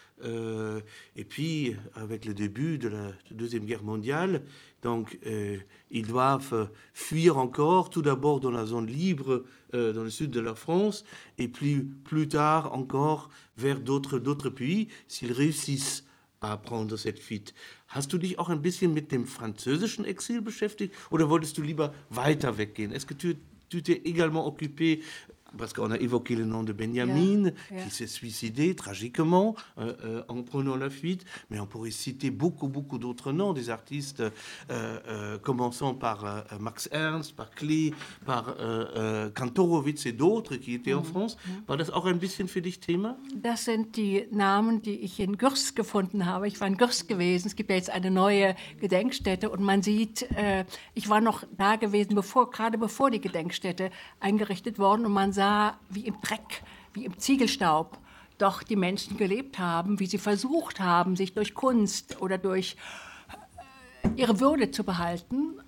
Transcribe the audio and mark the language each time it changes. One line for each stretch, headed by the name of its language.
French: Et puis, avec le début de la Deuxième Guerre mondiale, donc ils doivent fuir encore, tout d'abord dans la zone libre, dans le sud de la France, et plus tard encore vers d'autres pays, s'ils réussissent à prendre cette fuite.
German: Hast du dich auch ein bisschen mit dem französischen Exil beschäftigt, oder wolltest du lieber weiter weggehen?
French: Est-ce que tu t'es également occupé? Parce qu'on a évoqué le nom de Benjamin, qui s'est suicidé tragiquement en prenant la fuite. Mais on pourrait citer beaucoup, beaucoup d'autres noms, des artistes, commençant par Max Ernst, par Klee, par Kantorowicz et d'autres qui étaient en France.
German: War das auch ein bisschen für dich Thema? Das sind die Namen, die ich in Gürs gefunden habe. Ich war in Gürs gewesen. Es gibt ja jetzt eine neue Gedenkstätte. Und man sieht, ich war noch da gewesen, gerade bevor die Gedenkstätte eingerichtet worden. Und man sah, wie im Dreck, wie im Ziegelstaub doch die Menschen gelebt haben, wie sie versucht haben, sich durch Kunst oder durch ihre Würde zu behalten.